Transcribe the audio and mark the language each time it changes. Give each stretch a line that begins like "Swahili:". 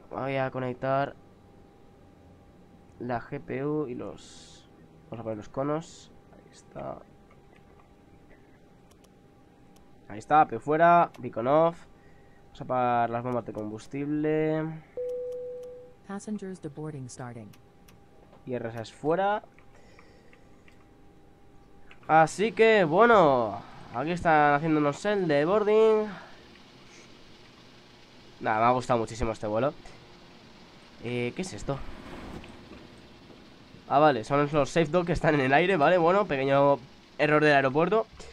Spanish: Voy a conectar la GPU y los... vamos a poner los conos. Ahí está. Ahí está, APU fuera, beacon off. Vamos a apagar las bombas de combustible.
English: Passengers deboarding starting.
Spanish: Y RSS fuera. Así que, bueno, aquí están haciéndonos el deboarding. Nada, me ha gustado muchísimo este vuelo. ¿Qué es esto? Ah, vale, son los safe dock que están en el aire, vale. Bueno, pequeño error del aeropuerto.